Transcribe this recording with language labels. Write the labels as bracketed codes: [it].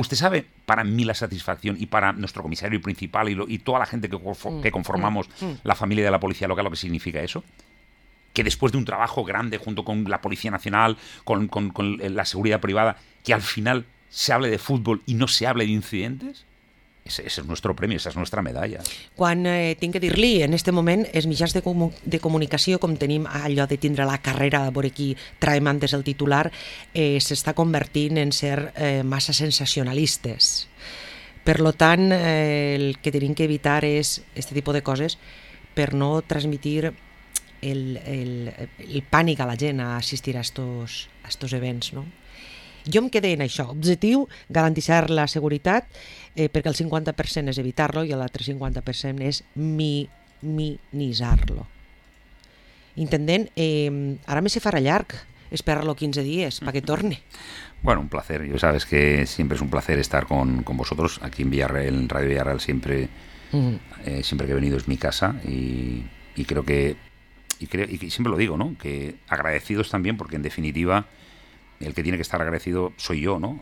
[es] Usted sabe, para mí la satisfacción, y para nuestro comisario principal y toda la gente que conformamos la familia de la policía local, lo que significa eso, que después de un trabajo grande junto con la Policía Nacional, con la seguridad privada, que al final se hable de fútbol y no se hable de incidentes. Ese es nuestro premio, esa es nuestra medalla. [ca] Quan tinc que dir-li, en este moment, els mitjans de comunicació, com tenim allò de tindre la carrera de veure qui traiem antes el titular, s'està convertint en ser massa sensacionalistes. Per tant, el que tenim que evitar és aquest tipus de coses per no transmitir el pànic a la gent a assistir a estos events, no? Jo em quedé en això, objectiu, garantir la seguretat, perquè el 50% és evitar-lo i l'altre 50% és minimitzar-lo. Intendent, ara me se farà llarg esperar-lo 15 dies perquè torni. [es] Bueno, un placer. Yo sabes que siempre es un placer estar con vosotros aquí en Villarreal, en Radio Villarreal siempre, siempre que he venido es mi casa y creo que siempre lo digo, ¿no? Que agradecidos también porque en definitiva el que tiene que estar agradecido soy yo, ¿no?